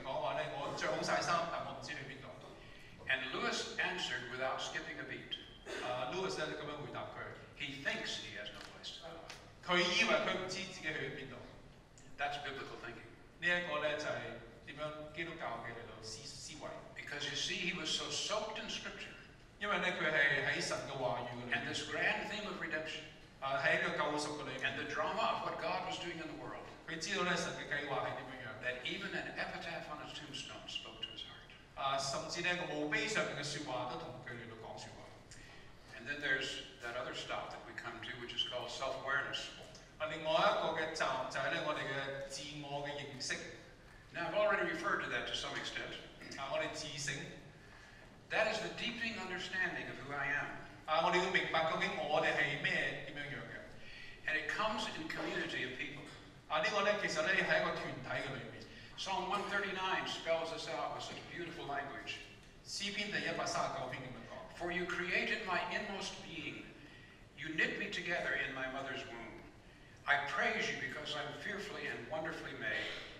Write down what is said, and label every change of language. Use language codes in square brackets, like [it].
[yue] 佢话我啱啱睇到呢个墓碑上面讲话咧，我着好晒衫，但我唔知去边度。 [en] And Lewis answered without skipping a beat. [yue] Lewis 咧就咁样回答佢。 [en] He thinks he has no place to go. [yue] 佢以为佢唔知自己去边度。 [en] That's biblical thinking. [yue] 呢一个咧就系点样基督教嘅嚟到思维。 [en] Because you see, he was so soaked in scripture. [yue] 因为咧佢系喺神嘅话语嗰度。 [en] And this grand theme of redemption. [yue] 喺呢个救赎嗰度。 [en] And the drama of what God was doing in the world. [yue] 佢知道咧神嘅计划系点样样。 [en] That even an epitaph on his tombstone spoke to his heart. [yue] 甚至咧个墓碑上面嘅说话都同佢嚟到讲说话。 [en] And then there's that other stop that we come to, which is called self-awareness. [yue] 另外一个嘅站就系咧我哋嘅自我嘅认识。 [en] Now I've already referred to that to some extent. [yue] 我哋自省。 [en] That is the deepening understanding of who I am. [yue] 我哋要明白究竟我哋系咩点样样嘅。 [en] And it comes in community of people. [yue] 呢个咧其实咧喺一个团体嘅里面。 [en] Psalm 139 spells this out with such beautiful language. [yue] 诗篇第139篇咁样讲。 [en] For you created my inmost being, you knit me together in my mother's womb. I praise you because I'm fearfully and wonderfully made.